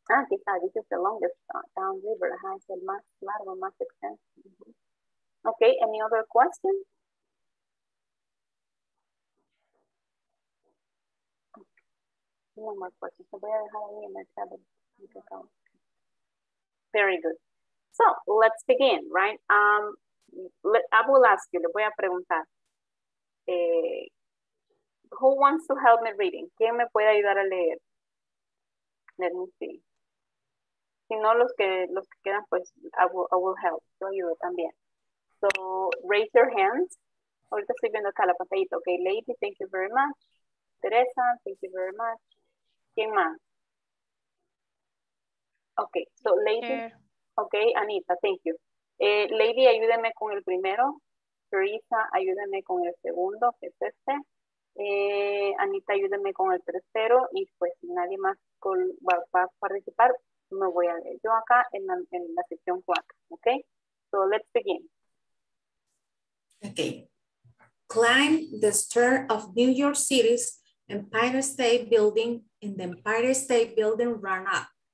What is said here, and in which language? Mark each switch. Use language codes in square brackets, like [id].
[en] This is the longest down river, [es] ajá, es el más largo, más extenso. [en] Mm-hmm. Ok, any other question? No more questions, [es] voy a dejar ahí en el chat. [en] Very good. So, let's begin, right? I will ask you, [es] le voy a preguntar, [en] who wants to help me reading? [es] ¿Quién me puede ayudar a leer? [en] Let me see. [es] Si no, los que quedan, pues, [en] I will help. [es] Yo ayudo también. [en] So, raise your hands. [es] Ahorita estoy viendo acá la pantallita. [en] Okay, Lady, thank you very much. Teresa, thank you very much. [es] ¿Quién más? [en] Okay, so Lady. Okay, Anita, thank you. Lady, [es] ayúdeme con el primero. Teresa, ayúdeme con el segundo, que es este. Anita, ayúdeme con el tercero. Y pues si nadie más va a participar, me voy a leer yo acá en la sección 4. [en] Ok, so let's begin. Ok. Climb the stair of New York City's Empire State Building and the Empire State Building run up.